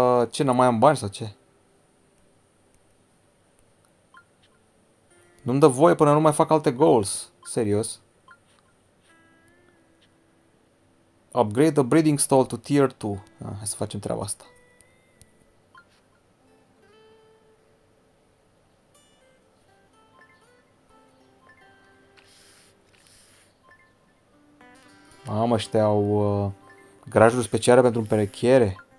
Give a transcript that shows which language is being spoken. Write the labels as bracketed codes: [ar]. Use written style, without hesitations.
[ro] Ce, n-am mai am bani sau ce? Nu-mi dă voie până nu mai fac alte goals. Serios. [en] Upgrade the breeding stall to tier 2. [ro] Ah, hai să facem treaba asta. Mamă, ăștia au garajuri speciale pentru împerechiere.